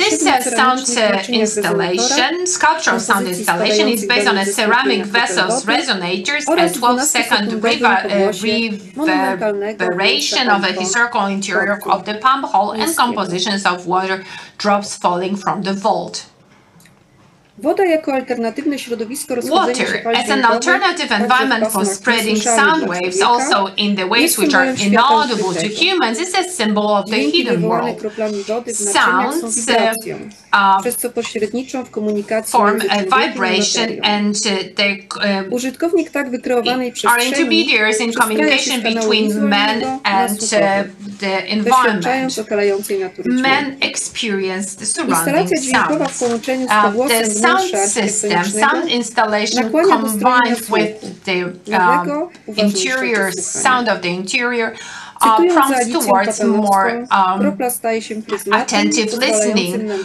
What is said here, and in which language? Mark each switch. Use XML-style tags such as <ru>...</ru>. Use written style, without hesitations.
<en>This sound installation, sculptural sound installation, is based on a ceramic vessel's resonators, a 12-second reverberation of a historical interior of the pump hall, and compositions of water drops falling from the vault.</en> <pl>Woda jako alternatywne środowisko rozchodzenia się fal dźwiękowych.</pl> <en>As an alternative environment for spreading sound waves, also in the waves which are inaudible to humans, is a symbol of the hidden world. Sounds form a vibration, and the</en> <pl>użytkownik tak wykreowanej przestrzeni</pl> <en>are intermediaries in communication between men and the environment. Men experience the surrounding sound. The sound system, sound installation combined with the interior sound of the interior prompts towards more attentive listening.</en>